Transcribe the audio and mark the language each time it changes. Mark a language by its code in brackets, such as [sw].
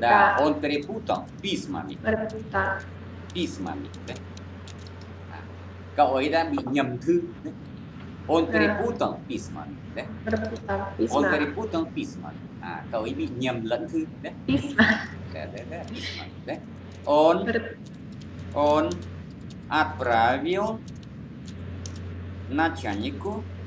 [ru] Да, он перепутал письмами. Перепутал. Письмами, đấy. [vi] Cậu ấy đã bị nhầm thư. [ru] Он перепутал письмами, đấy. Перепутал письма. Он перепутал письмами. [vi] À, cậu ấy bị nhầm lẫn thư, đấy. [ru] Письма. [vi] Đấy, đấy, đấy, письма, đấy. [ru] Он отправил начальнику.